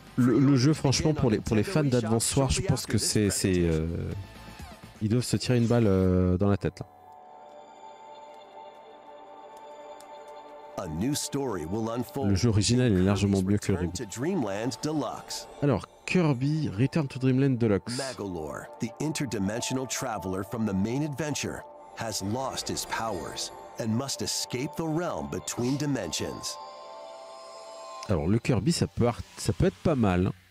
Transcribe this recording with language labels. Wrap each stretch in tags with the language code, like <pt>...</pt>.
<fr>Le jeu, franchement, pour les fans d'Advance Wars, je pense que c'est ils doivent se tirer une balle dans la tête là.</fr> <en>A new story will unfold.</en> <fr>Le jeu original est largement mieux que le reboot. Alors, Kirby Return to Dreamland Deluxe.</fr> <en>Magalore, the interdimensional traveler from the main adventure, has lost his powers and must escape the realm between dimensions.</en> <fr>Alors le Kirby, ça peut être pas mal.</fr>